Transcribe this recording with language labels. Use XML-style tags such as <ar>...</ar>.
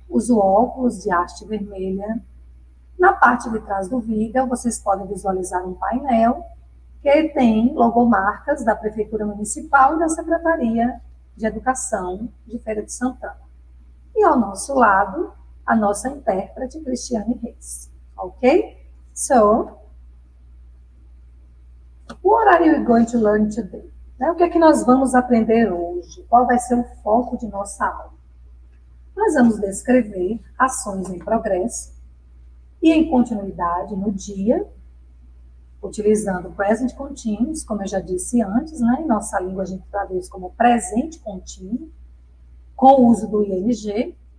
<pt>Uso óculos de haste vermelha. Na parte de trás do vídeo, vocês podem visualizar um painel que tem logomarcas da Prefeitura Municipal e da Secretaria de Educação de Feira de Santana. E ao nosso lado, a nossa intérprete, Cristiane Reis. Ok?</pt> <en>So, what are you going to learn today?</en> <pt>Né? O que é que nós vamos aprender hoje? Qual vai ser o foco de nossa aula? Nós vamos descrever ações em progresso e em continuidade no dia, utilizando o present continuous, como eu já disse antes, né? Em nossa língua a gente traduz como presente contínuo, com o uso do ING.</pt>